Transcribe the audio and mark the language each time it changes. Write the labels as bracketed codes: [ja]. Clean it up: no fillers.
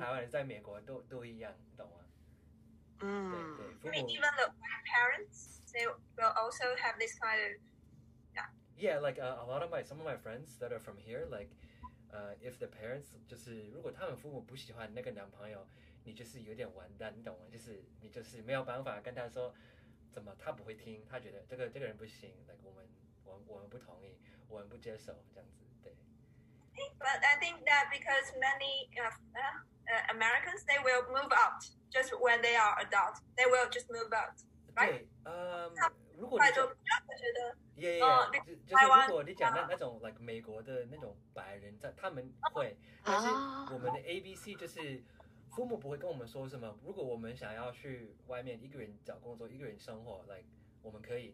[zh] 不管你在台湾还是在美国都一样, 懂吗? [en] Even the white parents, they will also have this kind of, yeah. Yeah, like a lot of some of my friends that are from here, like, if the parents [zh] 就是如果他们父母不喜欢那个男朋友，你就是有点完蛋，你懂吗？就是你就是没有办法跟他说，怎么他不会听，他觉得这个人不行 ，like 我们不同意，我们不接受这样子，对。 [en] But I think that because many Americans they will move out just when they are adult, they will just move out, right? [zh] 如果你讲，就是如果你讲那种 like 美国的那种白人，他们会，但是我们的 ABC 就是父母不会跟我们说什么。如果我们想要去外面一个人找工作，一个人生活 ，like 我们可以。